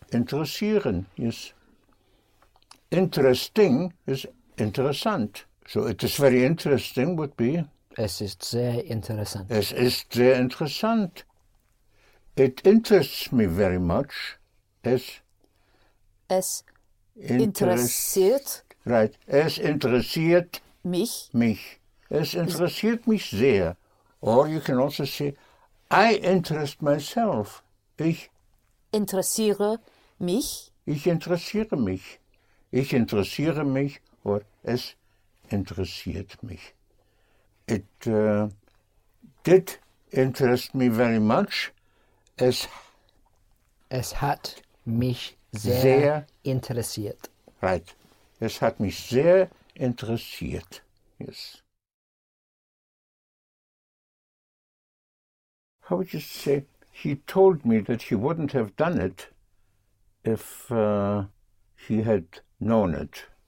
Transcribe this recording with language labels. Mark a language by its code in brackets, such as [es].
[en] Interessieren is interesting, is interessant. So it is very interesting would be. [de] Es ist sehr interessant. Es ist sehr interessant. [en] It interests me very much. [de] Es interessiert mich. Es interessiert mich sehr. [en] Or you can also say, I interest myself. [de] Ich interessiere mich. Ich interessiere mich. Or es interessiert mich. [en] It did interest me very much. [de] Es hat mich sehr interessiert. [en] Right. [de] Es hat mich sehr interessiert. [en] Yes. How would you say, he told me that he wouldn't have done it if he had known it?